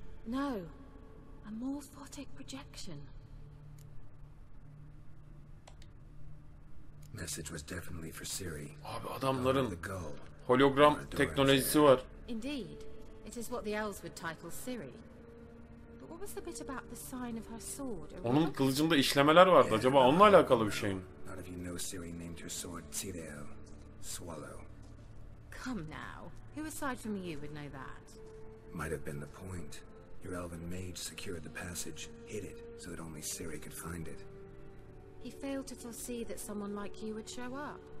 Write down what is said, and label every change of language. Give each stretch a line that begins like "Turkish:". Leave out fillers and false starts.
English: No. A morphotic projection. Message was definitely for Ciri.
Turkish: Abi adamların hologram teknolojisi var.
English: Indeed, it is what the elves would title Ciri. But what was the bit about the sign of her sword?
Turkish: Onun kılıcında işlemeler vardı. Acaba onunla alakalı bir şey mi?
English: Not if you know Ciri named her sword Cireo. swallow. Come now. Who aside from you would know that? Might have been the point. Your elven mage secured the passage, hid it, so that only Ciri could find it. He failed to foresee that someone like you would show up.